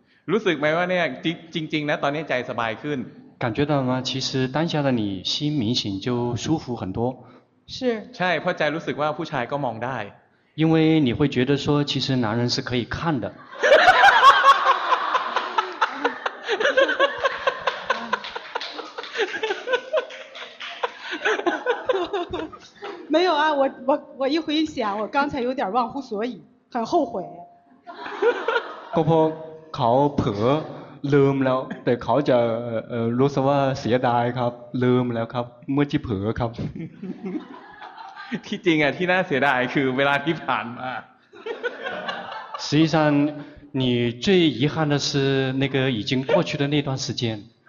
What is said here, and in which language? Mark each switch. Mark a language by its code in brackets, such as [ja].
[th] รู้สึกไหมว่าเนี่ยจริงๆนะตอนนี้ใจสบายขึ้น [zh] 感觉到吗其实当下的你心明显就舒服很多是 [th] ใช่เพราะใจรู้สึกว่าผู้ชายก็มองได้ [zh] 因为你会觉得说其实男人是可以看的没有啊我一回想我刚才有点忘乎所以很后悔 [th] ก็เพราะเขาเผลอลืมแล้วแต่เขาจะรู้สึกว่าเสียดายครับลืมแล้วครับเมื่อที่เผลอครับ ที่จริงอ่ะที่น่าเสียดายคือเวลาที่ผ่านมา [zh] 实际上你最遗憾的是那个已经过去的那段时间